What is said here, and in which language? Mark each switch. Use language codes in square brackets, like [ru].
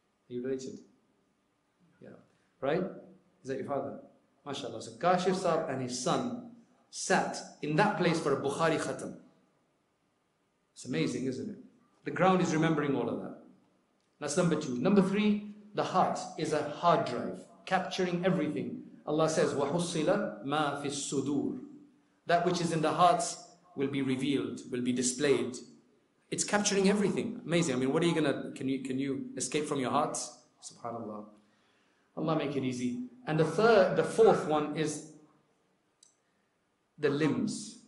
[en] Are you related? Yeah. Right? Is that your father? MashaAllah. So Kashif Saab and his son sat in that place for a Bukhari khatam. It's amazing, isn't it? The ground is remembering all of that. That's number two. Number three, the heart is a hard drive, capturing everything. Allah says, [ar] وَحُصِّلَ مَا فِي الصُّدُورِ. [en] That which is in the hearts will be revealed, will be displayed. It's capturing everything. Amazing. I mean, what are you going to... Can you escape from your heart? SubhanAllah. Allah make it easy. And the fourth one is the limbs.